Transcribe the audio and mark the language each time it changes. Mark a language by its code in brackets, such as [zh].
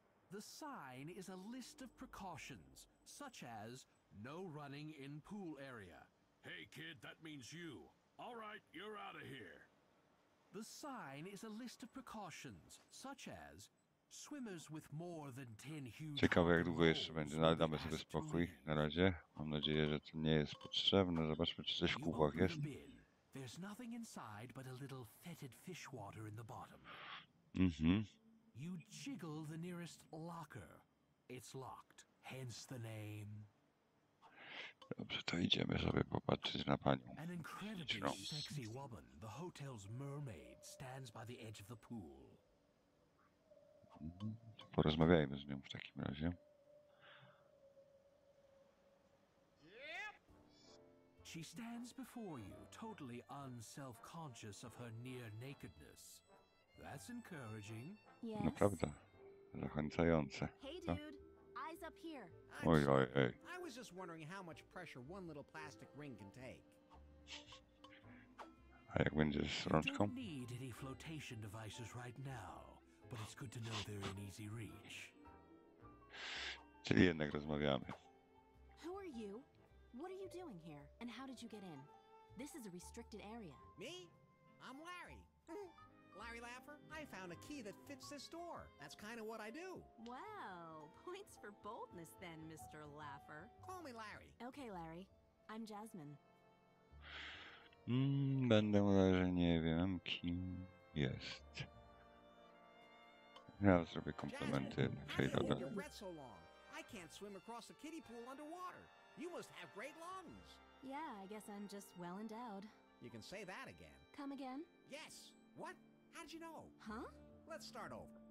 [en] The sign is a list of precautions, such as no running in pool area. Hey kid, that means you. All right, you're out of here. The sign is a list of precautions, such as swimmers with more than 10 huge. [pl] Ciekawe, jak długo jeszcze będzie. No, damy sobie spokój na razie. Mam nadzieję, że to nie jest potrzebne. Zobaczmy, czy coś w kubłach jest. [en] There's nothing inside but a little fetid fish water in the bottom. Mhm. You jiggle the nearest locker. It's locked. Hence the name. [pl] Dobrze, to idziemy sobie popatrzeć na panią. [en] An incredibly sexy woman, the hotel's mermaid, stands by the edge of the pool. [pl] To porozmawiajmy z nią w takim razie. [en] She stands before you, totally unself-conscious of her near nakedness. That's encouraging. Yes. [pl] No prawda, zachęcające. [en] Hey dude, eyes up here. Oj, oj, oj. I was just wondering how much pressure one little plastic ring can take. [pl] A jak będzie z rączką? [en] You don't need any flotation devices right now. But it's good to know they're in easy reach. [pl] Czyli jednak rozmawiamy. [en] Who are you? What are you doing here? And how did you get in? This is a restricted area. Me? I'm Larry. Larry Laffer, I found a key that fits this door. That's kind of what I do. Well, points for boldness then, Mr. Laffer. Call me Larry. Okay, Larry. I'm Jasmine. [pl] Będę mówił, że nie wiem, kim jest. Ja zrobię komplementy. [en] I can't swim across the kiddie pool underwater. You must have great lungs. Yeah, I guess I'm just well endowed. You can say that again. Come again? Yes. What? How did you know? Huh? Let's start over.